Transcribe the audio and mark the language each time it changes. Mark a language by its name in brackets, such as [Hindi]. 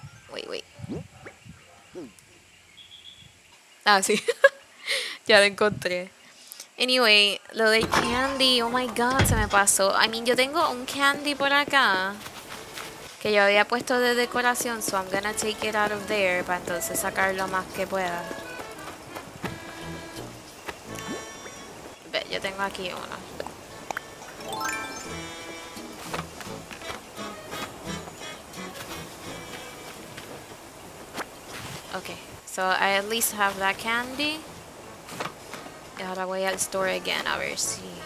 [English] Wait. [Spanish] Ah, sí. Ya lo encontré. Anyway, lo de candy. [English] Oh my god, [Spanish] se me pasó. [English] I mean, [Spanish] yo tengo un candy por acá. Que yo había puesto de decoración. [English] So I'm gonna take it out of there. [Spanish] Para entonces sacar lo más que pueda. Ve, yo tengo aquí uno. [English] Okay, so I at least have that candy. [Spanish] Y ahora voy al store again, a ver si...